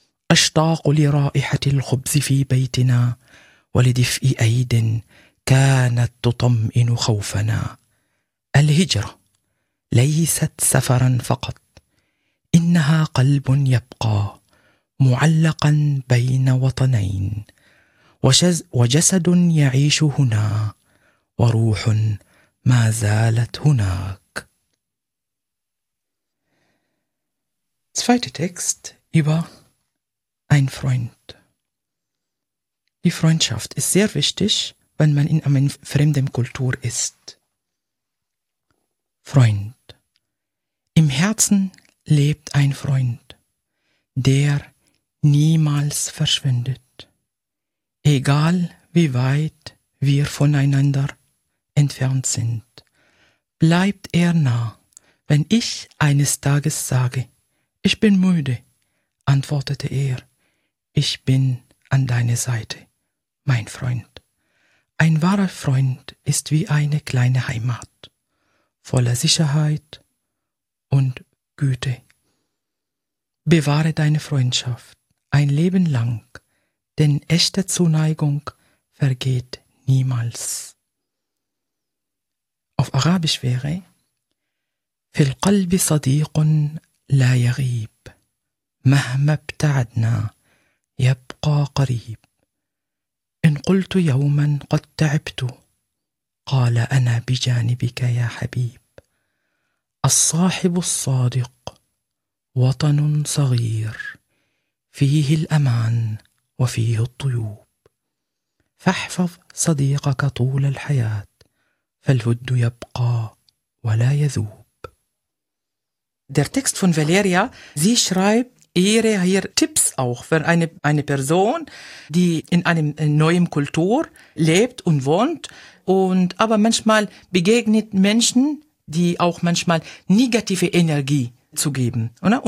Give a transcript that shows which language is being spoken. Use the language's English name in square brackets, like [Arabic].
[Arabic] أشتاق لرائحة الخبز في بيتنا ولدفء أيد كانت تطمئن خوفنا الهجرة ليست سفرا فقط إنها قلب يبقى معلقا بين وطنين وجسد يعيش هنا وروح ما زالت هناك. [German] Zweiter Text über ein Freund. Die Freundschaft ist sehr wichtig, wenn man in einer fremden Kultur ist. Freund. Im Herzen lebt ein Freund, der niemals verschwindet. Egal wie weit wir voneinander entfernt sind, bleibt er nah. Wenn ich eines Tages sage, ich bin müde, antwortete er, ich bin an deiner Seite, mein Freund. Ein wahrer Freund ist wie eine kleine Heimat, voller Sicherheit und Güte. Bewahre deine Freundschaft ein Leben lang, denn echte Zuneigung vergeht niemals. Auf Arabisch wäre: [Arabic] في القلب صديق لا يغيب مهما ابتعدنا يبقى قريب إن قلت يوما قد تعبت قال أنا بجانبك يا حبيب الصاحب الصادق وطن صغير فيه الأمان وفيه الطيوب فاحفظ صديقك طول الحياة فالود يبقى ولا يذوب. [German] Der Text von Valeria, sie schreibt ihre hier Tipps auch für eine Person, die in einem neuen Kultur lebt und wohnt und aber manchmal begegnet Menschen, die auch manchmal negative Energie zu geben, oder?